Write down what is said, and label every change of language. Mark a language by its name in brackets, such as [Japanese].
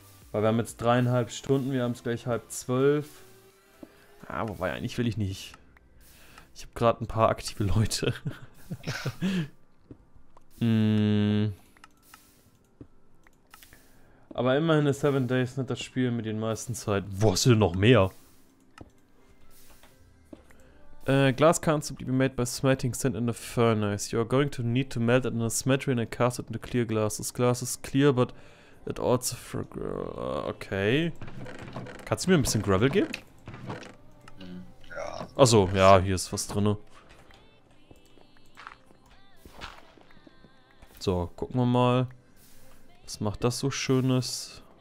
[German] Weil wir haben jetzt 3,5 Stunden, wir haben es gleich 11:30. Ah, wobei, eigentlich will ich nicht. Ich habe gerade ein paar aktive Leute. Aber immerhin ist 7 Days nicht das Spiel mit den meisten Zeit. Wo hast du denn noch mehr? [English] Glass can't be made by smelting sand in a furnace. You are going to need to melt it in a smeltery and cast it into clear glass. This glass is clear, but it also okay. [German] Kannst du mir ein bisschen Gravel geben? Ja. Achso, ja, hier ist was drin. So, gucken wir mal. Was macht das so Schönes?